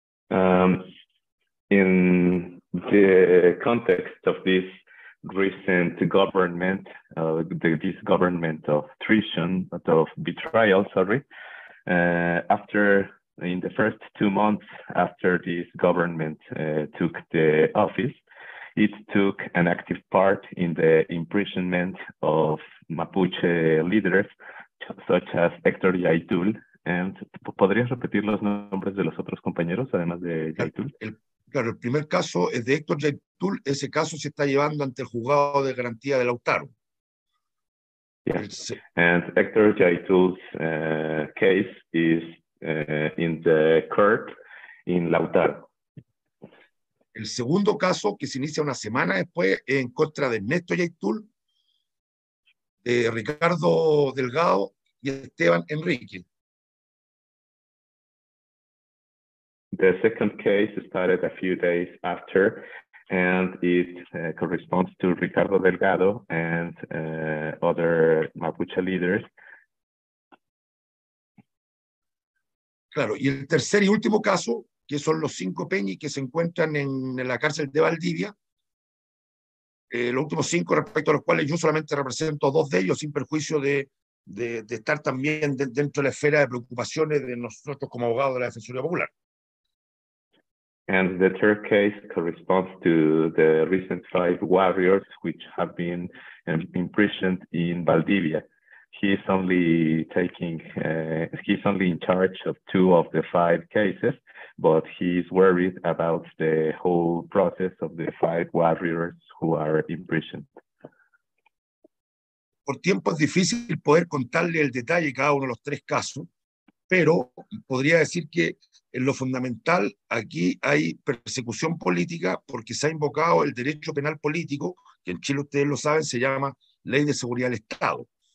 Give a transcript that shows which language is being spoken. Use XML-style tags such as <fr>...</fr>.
<en>In the context of this recent government, this government of treason, of betrayal, after in the first 2 months after this government took the office, it took an active part in the imprisonment of Mapuche leaders, such as Héctor Yaitul.</en> <es>And, ¿podrías repetir los nombres de los otros compañeros, además de Yaitul? Claro, el primer caso es de Héctor Yaitul. Ese caso se está llevando ante el juzgado de garantía de Lautaro.</es> <en>Yes. And Héctor Yaitul's case is in the court in Lautaro.</en> <es>El segundo caso, que se inicia una semana después, es en contra de Ernesto Yaitul, de Ricardo Delgado y Esteban Enrique.</es> <en>The second case started a few days after, and it corresponds to Ricardo Delgado and other Mapuche leaders.</en> <es>Claro, y el tercer y último caso, que son los 5 Peñi que se encuentran en la cárcel de Valdivia, los últimos 5 respecto a los cuales yo solamente represento 2 de ellos, sin perjuicio de estar también dentro de la esfera de preocupaciones de nosotros como abogados de la Defensoría Popular.</es> <en>And the third case corresponds to the recent 5 warriors which have been imprisoned in Valdivia. He's only in charge of 2 of the 5 cases, but he's worried about the whole process of the 5 warriors who are imprisoned.</en> <es>Por tiempo es difícil poder contarle el detalle de cada uno de los 3 casos, pero podría decir que en lo fundamental, aquí hay persecución política porque se ha invocado el derecho penal político, que en Chile ustedes lo saben, se llama Ley de Seguridad del Estado.</es>